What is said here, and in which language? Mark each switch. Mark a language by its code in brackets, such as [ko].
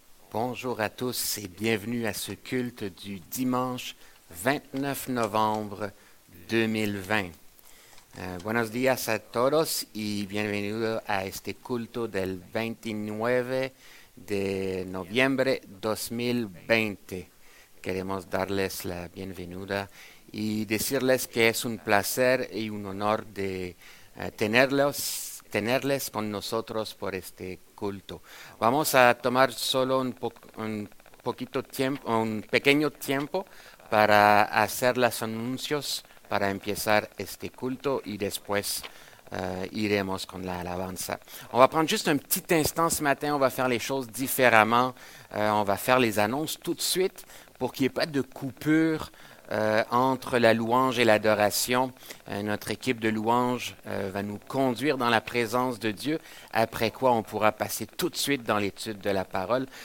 [fr] Bonjour à tous et bienvenue à ce culte du dimanche 29 novembre 2020. [es] Buenos días a todos y bienvenido a este culto del 29 de noviembre 2020. Queremos darles la bienvenida y decirles que es un placer y un honor de tenerles con nosotros por este culto. Vamos a tomar solo un pequeño tiempo para hacer los anuncios para empezar este culto y después iremos con la alabanza. [fr] On va prendre juste un petit instant ce matin, on va faire les choses différemment, on va faire les annonces tout de suite pour qu'il n'y ait pas de coupure entre la louange et l'adoration. Notre équipe de louange va nous conduire dans la présence de Dieu, après quoi on pourra passer tout de suite dans l'étude de la parole.